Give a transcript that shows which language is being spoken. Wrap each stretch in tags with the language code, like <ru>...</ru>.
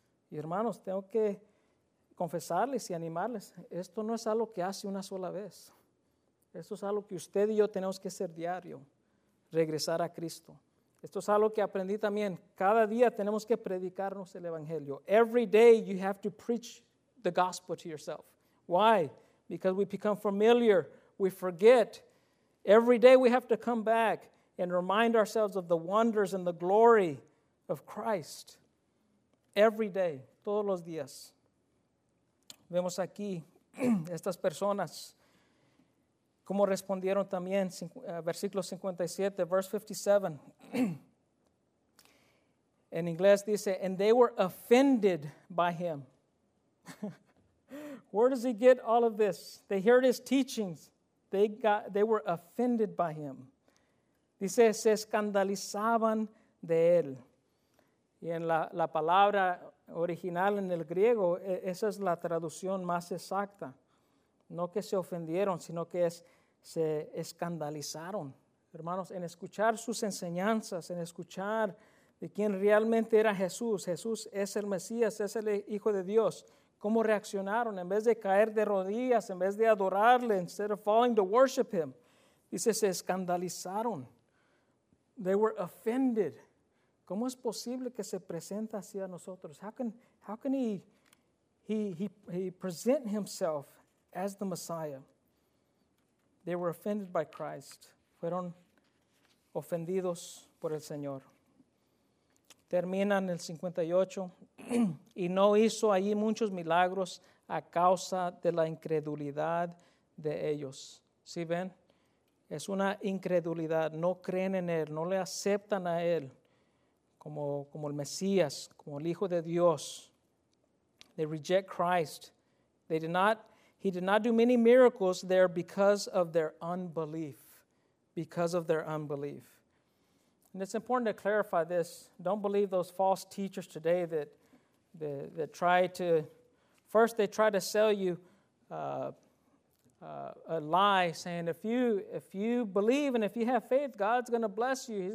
<es>Y hermanos, tengo que confesarles y animarles. Esto no es algo que hace una sola vez. Esto es algo que usted y yo tenemos que hacer diario, regresar a Cristo. Esto es algo que aprendí también. Cada día tenemos que predicarnos el Evangelio.</es> <en>Every day you have to preach the gospel to yourself. Why? Because we become familiar, we forget. Every day we have to come back and remind ourselves of the wonders and the glory of Christ. Every day,</en> <es>todos los días. Vemos aquí estas personas, cómo respondieron también, versículo 57,</es> <en>verse 57.</en> <es>En inglés dice,</es> <en>and they were offended by him. Where does he get all of this? They heard his teachings. They were offended by him.</en> <es>Dice, se escandalizaban de él. Y en la palabra original en el griego, esa es la traducción más exacta. No que se ofendieron, sino que se escandalizaron. Hermanos, en escuchar sus enseñanzas, en escuchar de quién realmente era Jesús. Jesús es el Mesías, es el Hijo de Dios. ¿Cómo reaccionaron? En vez de caer de rodillas, en vez de adorarle,</es> <en>instead of falling to worship him.</en> <es>Dice, se escandalizaron.</es> <en>They were offended.</en> <es>¿Cómo es posible que se presenta así a nosotros?</es> <en>How can he present himself as the Messiah? They were offended by Christ.</en> <es>Fueron ofendidos por el Señor. Terminan el 58. Y no hizo allí muchos milagros a causa de la incredulidad de ellos. ¿Sí ven? Es una incredulidad. No creen en él. No le aceptan a él como el Mesías, como el Hijo de Dios.</es> <en>They reject Christ. He did not do many miracles there because of their unbelief. Because of their unbelief. And it's important to clarify this. Don't believe those false teachers today that they try to sell you a lie, saying if you believe and if you have faith, God's going to bless you.</en>